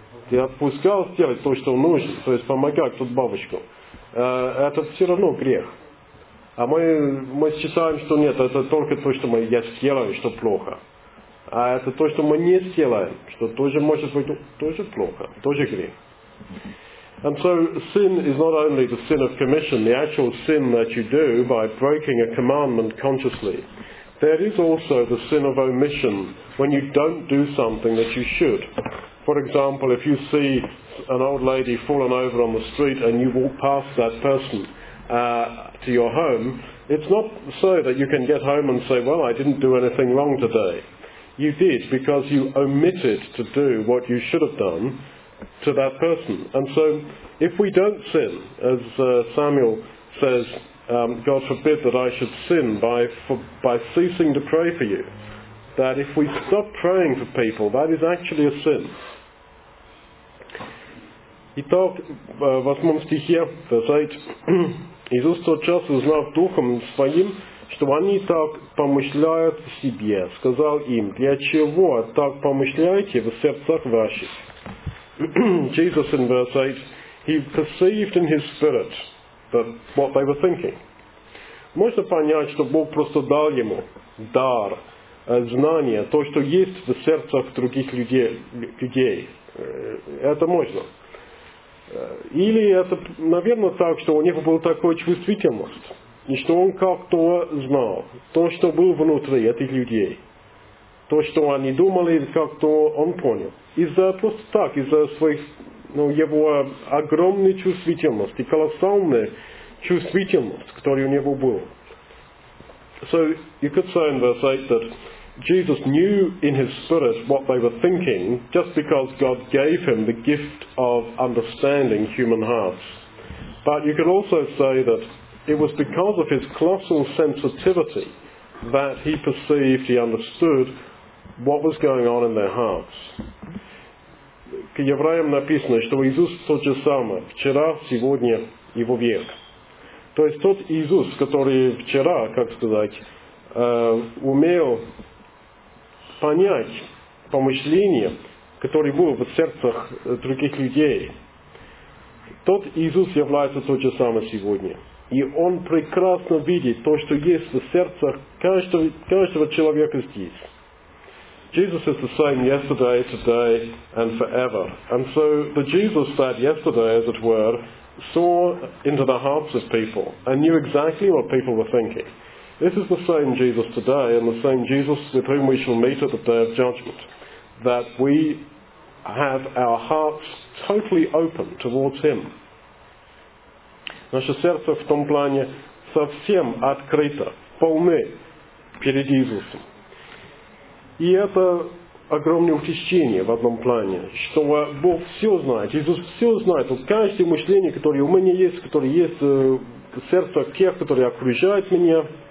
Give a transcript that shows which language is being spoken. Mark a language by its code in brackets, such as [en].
[ru] Ты отпускал сделать то, что нужно, то есть помогать тут бабушку. Это все равно грех. А мы считаем, что нет, это только то, что я сделаю, что плохо. А это то, что мы не сделаем, что тоже может быть тоже плохо, тоже грех. [en] And so sin is not only the sin of commission, the actual sin that you do by breaking a commandment consciously. There is also the sin of omission when you don't do something that you should. For example, if you see an old lady fallen over on the street and you walk past that person to your home, it's not so that you can get home and say, well, I didn't do anything wrong today. You did because you omitted to do what you should have done to that person. And so if we don't sin, as Samuel says, God forbid that I should sin by ceasing to pray for you, that if we stop praying for people, that is actually a sin. [ru] И так, в 8 стихе, [en] verse 8, [ru] Иисус тотчас узнав духом своим, что они так помышляют в себе, сказал им, для чего так помышляете в сердцах ваших? [en] Jesus in verse 8, he perceived in his spirit that what they were thinking. [ru] Можно понять, что Бог просто дал ему дар, знание, то, что есть в сердцах других людей. Это можно. Или это, наверное, так, что у него была такая чувствительность, и что он как-то знал то, что было внутри этих людей. То, что они думали, как-то он понял. Из-за просто так, из-за своих, ну, его огромной чувствительности, колоссальной чувствительности, которая у него была. [en] So, you could say in verse 8 that Jesus knew in his spirit what they were thinking just because God gave him the gift of understanding human hearts. But you could also say that it was because of his colossal sensitivity that he perceived, he understood what was going on in their hearts. [ru] К евреям написано, что Иисус тот же самый, вчера, сегодня и во век. То есть тот Иисус, который вчера, как сказать, умел понять помышления, которые были в сердцах других людей. Тот Иисус является тот же самый сегодня. И он прекрасно видит то, что есть в сердцах каждого человека здесь. [en] Jesus is the same yesterday, today and forever. And so the Jesus that yesterday, as it were, saw into the hearts of people and knew exactly what people were thinking. This is the same Jesus today and the same Jesus with whom we shall meet at the Day of Judgment, that we have our hearts totally open towards Him. [ru] Наше сердце в том плане совсем открыто, полны перед Иисусом. И это огромное утешение в одном плане, что Бог все знает, Иисус все знает, вот каждое мышление, которое у меня есть, которое есть в сердце тех, которые окружают меня.